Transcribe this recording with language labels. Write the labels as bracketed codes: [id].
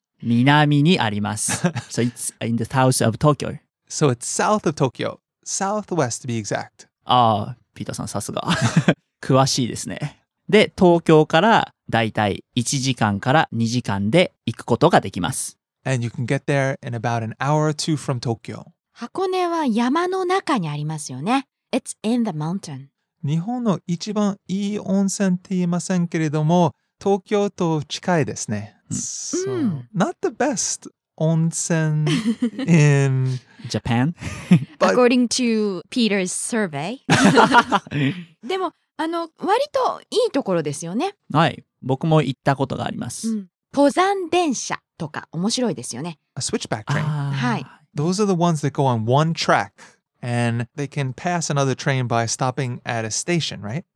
[ja] 南にあります。 [en] So it's in the south of Tokyo. So it's south of Tokyo. Southwest to be exact. [ja] ああ、ピーターさんさすが。詳しいですね。で、東京からだいたい1時間から2時間で行くことができます。 [en] And you can get there in about an hour or two from Tokyo. [ja] 箱根は山の中にありますよね。 [en] It's in the mountain. [ja] 日本の一番いい温泉って言いませんけれども、東京と近いですね。 [en] So, not the best onsen in Japan. But... According to Peter's survey. [ja] でも、割といいところですよね。はい、僕も行ったことがあります。登山電車とか面白いですよね。 [en] A switchback train. [ja] はい。 [en] Those are the ones that go on one track, and they can pass another train by stopping at a station, right?